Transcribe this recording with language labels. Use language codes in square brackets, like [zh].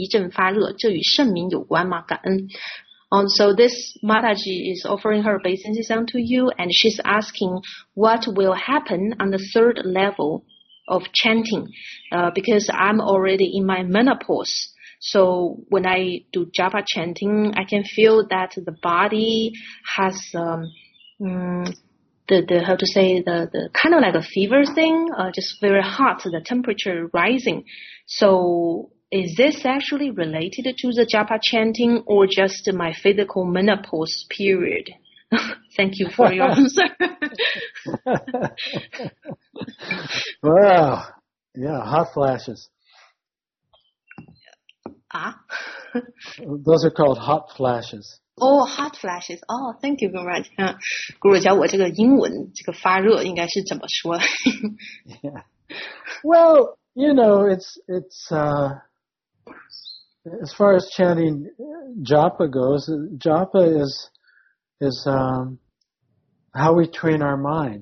[zh] 我们来看下一个问题，是一位叫赵的这样一位奉献者问的：顶拜咕噜，请问念诵的第三阶段会发生什么？我记得更年期，念诵时身体时时一阵发热，这与圣名有关吗？感恩。 [en] So this Mataji is offering her obeisances unto you, and she's asking what will happen on the third level of chanting, because I'm already in my menopause. So when I do japa chanting, I can feel that the body has the kind of like a fever thing, just very hot, the temperature rising. So is this actually related to the japa chanting or just my physical menopause period? Thank you for your answer. Wow, yeah, hot flashes. Ah, those are called hot flashes. Oh, hot flashes. Oh, thank you very much. [zh] Guru, 教我这个英文这个发热应该是怎么说？ [en] Yeah. Well, you know, it's as far as chanting japa goes, japa is how we train our mind.